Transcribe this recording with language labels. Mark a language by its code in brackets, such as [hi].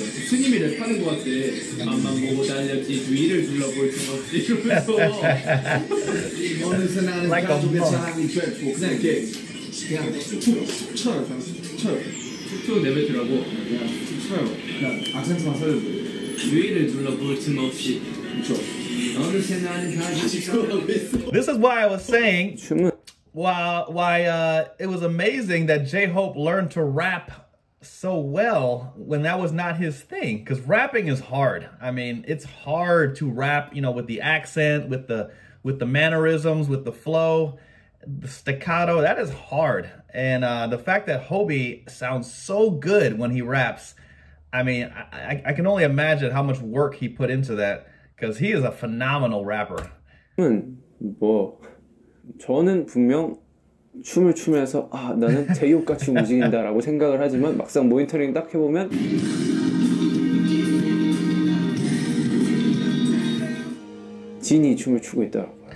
[ko] 스님이 랩하는 거 같아. 맘만 보고 달렸지 주위를 둘러볼 줄 알았지 이러면서 어느새 나는 가족의 사랑이 됐고 그냥 이렇게 그냥 툭 쳐요. 그냥 쳐요. 툭툭 내뱉으라고? 그냥 툭 쳐요. 그냥 악센트만 써줘도 돼. [en] This is why I was saying why it was amazing that J-Hope learned to rap so well when that was not his thing. Because rapping is hard. I mean, it's hard to rap, you know, with the accent, with the mannerisms, with the flow, the staccato. That is hard. And the fact that Hobie sounds so good when he raps, I mean, I can only imagine how much work he put into that because he is a phenomenal rapper. [ko] 뭐 저는 분명 춤을 추면서 아 나는 제이홉 같이 움직인다라고 생각을 하지만 막상 모니터링 딱 해보면 진이 춤을 추고 있더라고요.